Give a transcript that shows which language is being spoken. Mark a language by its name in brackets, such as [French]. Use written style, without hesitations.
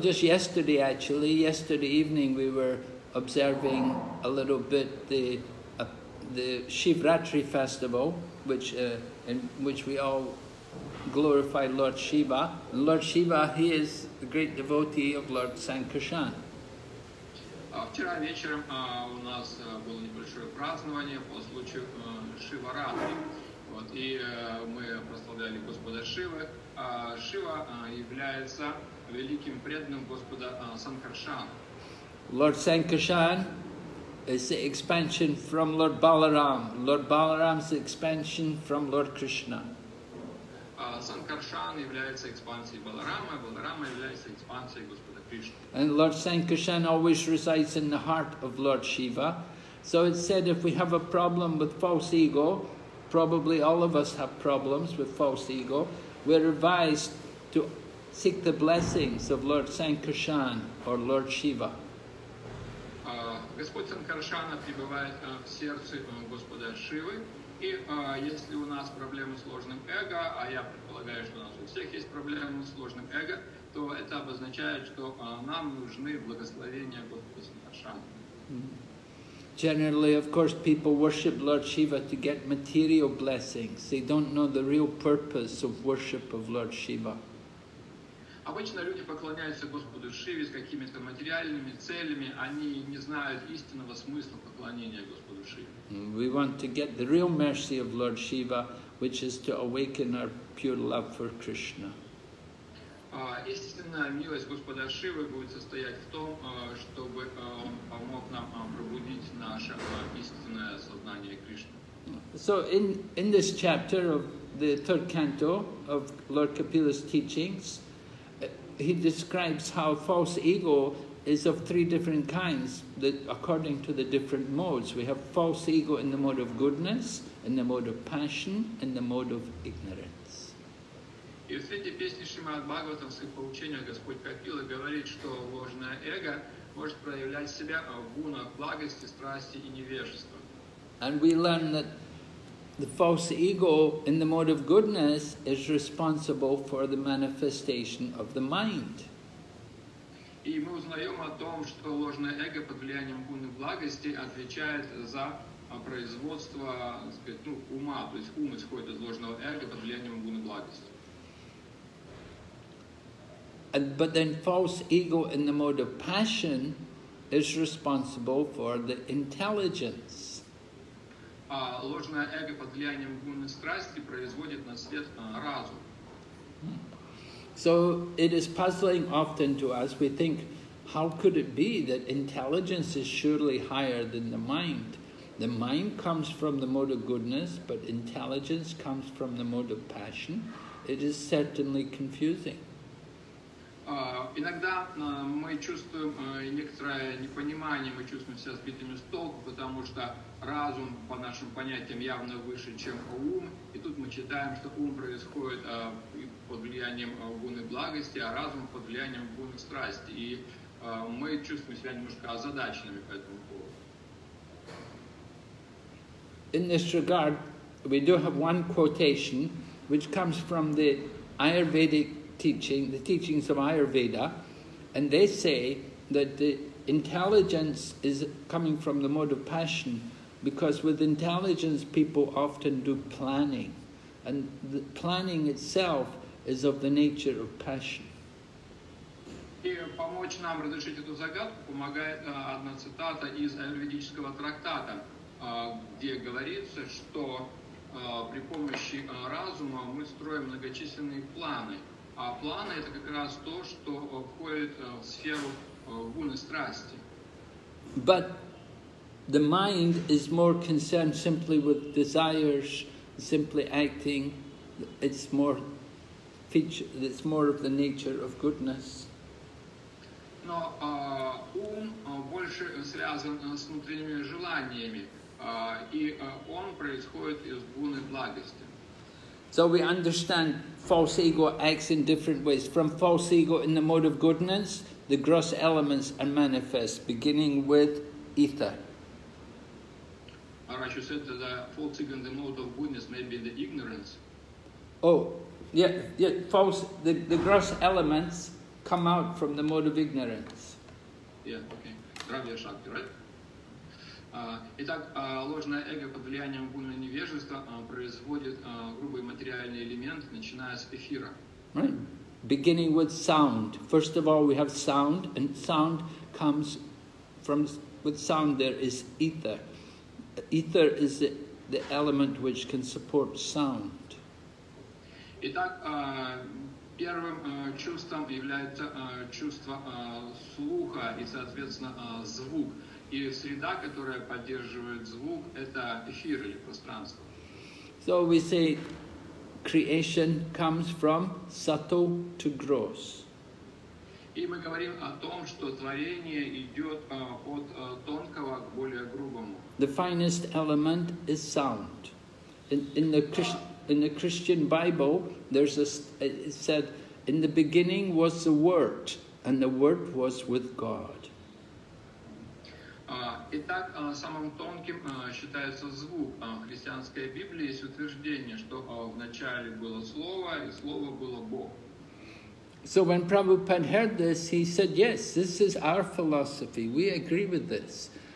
[English] So just yesterday evening we were observing a little bit the Shivratri festival, which we all glorify Lord Shiva. Lord Shiva, he is the great devotee of Lord Sankarshan. [Russian] Вчера вечером у нас было небольшое празднование по случаю Шиваратри. Вот, и мы прославляли Господа Шивы. Шива является великим преданным Господа Sankarshan. [English] Lord Sankarshan is the expansion from Lord Balaram. Lord Balaram's expansion from Lord Krishna. [Russian] Sankarshan является экспансией Баларама, Баларама является экспансией Господа Кришны. [English] And Lord Sankarshan always resides in the heart of Lord Shiva. So it said if we have a problem with false ego, probably all of us have problems with false ego, we're advised to seek the blessings of Lord Sankarshan or Lord Shiva. [Russian] Господь Sankarshan пребывает в сердце Господа Шивы. И если у нас проблемы с ложным эго, а я предполагаю, что у нас у всех есть проблемы с ложным эго, то это обозначает, что нам нужны благословения Господа Sankarshan. [English] Generally, of course, people worship Lord Shiva to get material blessings. They don't know the real purpose of worship of Lord Shiva. [Russian] Обычно люди поклоняются Господу Шиве с какими-то материальными целями, они не знают истинного смысла поклонения Господу Шиве. [English] We want to get the real mercy of Lord Shiva, which is to awaken our pure love for Krishna. [Russian] Истинная милость Господа Шивы будет состоять в том, чтобы он помог нам пробудить наше истинное сознание Кришны. [English] So in this chapter of the third canto of Lord Kapila's teachings, he describes how false ego is of three different kinds, that according to the different modes. We have false ego in the mode of goodness, in the mode of passion, in the mode of ignorance. [Russian] И в третьей песне Шримад Бхагаватам, в своих поучениях, Господь Капила говорит, что ложное эго может проявлять себя в гунах благости, страсти и невежества. [English] And we learn that the false ego in the mode of goodness is responsible for the manifestation of the mind. [Russian] И мы узнаем о том, что ложное эго под влиянием гуны благости отвечает за производство, так сказать, ну, ума, то есть ум исходит из ложного эго под влиянием гуны благости. [English] But then false ego in the mode of passion is responsible for the intelligence. [Russian] А ложное эго под влиянием гуны страсти производит на свет разум. [English] So it is puzzling often to us. We think, how could it be that intelligence is surely higher than the mind? The mind comes from the mode of goodness, but intelligence comes from the mode of passion. It is certainly confusing. [Russian] Иногда мы чувствуем некоторое непонимание, мы чувствуем себя сбитыми с толку, потому что разум, по нашим понятиям, явно выше, чем ум. И тут мы читаем, что ум происходит под влиянием гуны благости, а разум под влиянием гуны страсти. И мы чувствуем себя немножко озадаченными по этому поводу. [English] In this regard, we do have one quotation, which comes from the Ayurvedic teaching, the teachings of Ayurveda, and they say that the intelligence is coming from the mode of passion, because with intelligence people often do planning, and the planning itself is of the nature of passion. [Russian] И помочь нам разрешить эту загадку помогает одна цитата из Аюрведического трактата, где говорится, что при помощи разума мы строим многочисленные планы. А планы – это как раз то, что входит в сферу гуны страсти. [English] But the mind is more concerned simply with desires, simply acting. It's more of the nature of goodness. [Russian] Но ум больше связан с внутренними желаниями, и он происходит из гуны благости. [English] So we understand false ego acts in different ways. From false ego in the mode of goodness, the gross elements are manifest, beginning with ether. Arash, you said that false ego in the mode of goodness may be the ignorance. Oh, yeah, false, the gross elements come out from the mode of ignorance. Yeah, okay. Dravya Shakti, right? [Russian] Итак, ложное эго под влиянием гуны невежества производит грубые материальные элементы, начиная с эфира. [English] Right. Beginning with sound. First of all, we have sound, and sound comes from... With sound there is ether. Ether is the element which can support sound. [Russian] Итак, первым чувством является чувство слуха и, соответственно, звук. И среда, которая поддерживает звук, это эфир или пространство. [English] So we say creation comes from subtle to gross. [Russian] И мы говорим о том, что творение идет от тонкого к более грубому. [English] The finest element is sound. In the Christian Bible, it said, in the beginning was the Word, and the Word was with God. [Russian] Итак, самым тонким считается звук. В христианской Библии есть утверждение, что в начале было слово, и слово было Бог. [English] So when Prabhupada heard this, he said, yes, this is our philosophy, we agree with this.